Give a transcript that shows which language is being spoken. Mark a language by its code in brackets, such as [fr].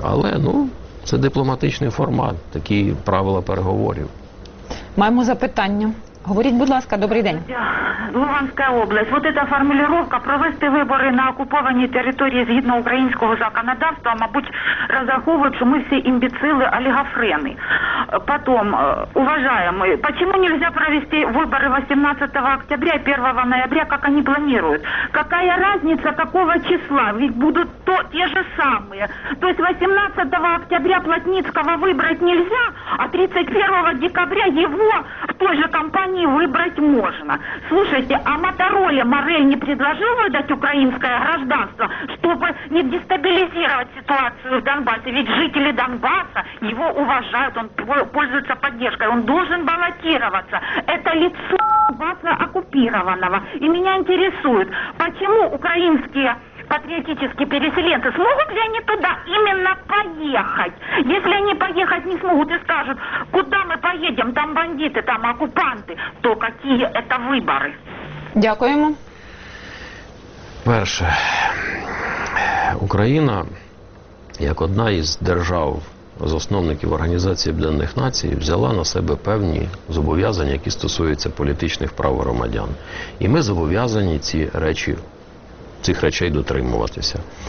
[uk] Але, ну, це дипломатичний формат, такі правила переговорів. Маємо запитання. Говоріть, будь ласка, добрий день. Луганська область. [ru] Вот эта формулировка [uk] провести вибори на окупованій території згідно українського законодавства, мабуть, розраховують, що ми всі імбіцили, олігофрени. [ru] Потом, уважаємо, почему нельзя провести вибори 18 октября и 1 ноября, как они планируют? Какая разница, какого числа? Ведь будут те же самые. То есть 18 октября Плотницкого выбрать нельзя, а 31 декабря его в той же компании выбрать можно. Слушайте, а Мотороле Морель не предложил выдать украинское гражданство, чтобы не дестабилизировать ситуацию в Донбассе? Ведь жители Донбасса его уважают, он пользуется поддержкой, он должен баллотироваться. Это лицо Донбасса оккупированного. И меня интересует, почему украинские патриотические переселенцы, смогут ли они туда именно поехать? Если они поехать не смогут и скажут, куда мы поедем, там бандиты, там оккупанты, то какие это выборы? [uk] Дякуємо. Перше. Україна, як одна із держав, з основників Організації Об'єднаних Націй, взяла на себе певні зобов'язання, які стосуються політичних прав громадян. І ми зобов'язані ці речі, цих речей дотримуватися.